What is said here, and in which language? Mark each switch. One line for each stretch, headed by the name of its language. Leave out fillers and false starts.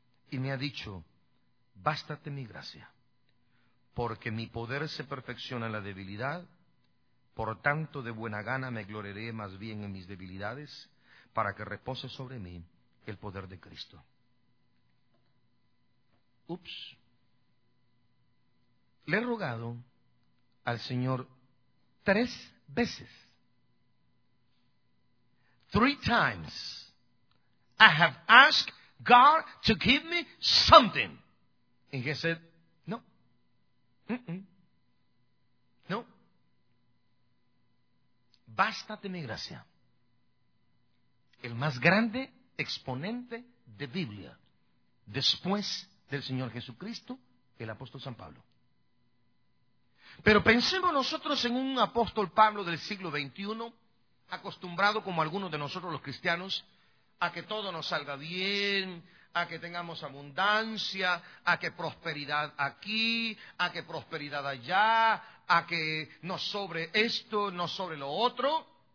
Spanish: Y me ha dicho, bástate mi gracia, porque mi poder se perfecciona en la debilidad, por tanto de buena gana me gloriaré más bien en mis debilidades, para que repose sobre mí el poder de Cristo. Ups. Le he rogado al Señor tres veces.
English: Three times, I have asked God to give me something. And he said, no. Mm-mm. No.
Spanish: Bástate mi gracia. El más grande exponente de Biblia, después del Señor Jesucristo, el apóstol San Pablo. Pero pensemos nosotros en un apóstol Pablo del siglo XXI, acostumbrado como algunos de nosotros los cristianos, a que todo nos salga bien, a que tengamos abundancia, a que prosperidad aquí, a que prosperidad allá, a que nos sobre esto, nos sobre lo otro.